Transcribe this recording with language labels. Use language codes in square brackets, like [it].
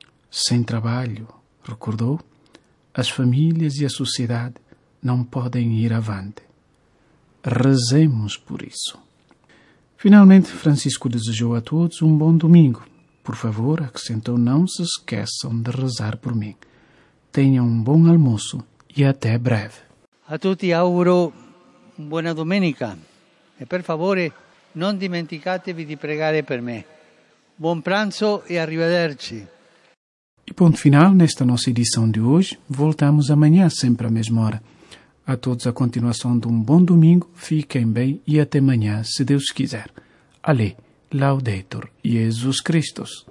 [pt] Sem trabalho, recordou, as famílias e a sociedade não podem ir avante. Rezemos por isso. Finalmente, Francisco desejou a todos um bom domingo. Por favor, acrescentou, não se esqueçam de rezar por mim. Tenham um bom almoço e até breve. [it] A tutti auguro buona domenica. E per favore, non dimenticatevi di pregare per me. Buon pranzo e arrivederci. [pt] E ponto final nesta nossa edição de hoje. Voltamos amanhã, sempre à mesma hora. A todos a continuação de um bom domingo. Fiquem bem e até amanhã, se Deus quiser. Alê. [la] Laudetur Iesus Christus.